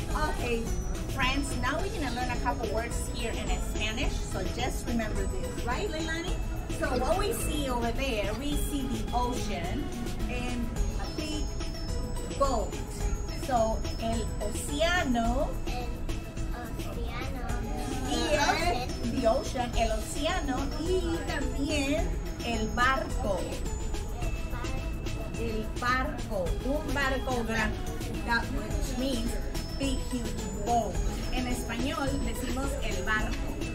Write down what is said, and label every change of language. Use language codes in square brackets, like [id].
[en] Okay, friends, now we're gonna learn a couple words here in Spanish. So just remember this, right, Leilani? So what we see over there, we see the ocean and a big boat. [es] So, el océano. El océano. Y el, [en] the ocean, [es] el océano. Y también el barco. El barco. Un barco grande. [en] Which means big, huge boat. [es] En español decimos el barco.